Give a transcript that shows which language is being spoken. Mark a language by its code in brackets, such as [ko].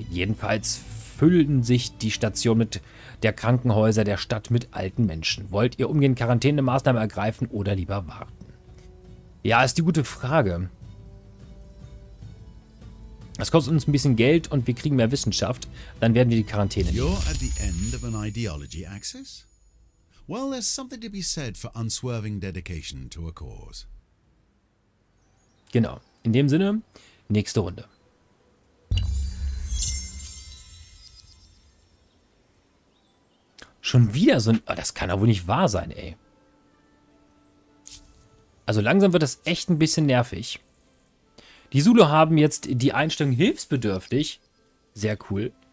[de] Jedenfalls füllen sich die Station mit der Krankenhäuser der Stadt mit alten Menschen. Wollt ihr umgehend Quarantänemaßnahmen ergreifen oder lieber warten? Ja, ist die gute Frage. Es kostet uns ein bisschen Geld und wir kriegen mehr Wissenschaft. Dann werden wir die Quarantäne nehmen. [en] You're at the end of an ideology axis? Well, there's something to be said for unswerving dedication to a cause. [de] Genau. In dem Sinne, nächste Runde. Schon wieder so ein... Oh, das kann doch wohl nicht wahr sein, ey. Also langsam wird das echt ein bisschen nervig. Die Zulu haben jetzt die Einstellung hilfsbedürftig. Sehr cool.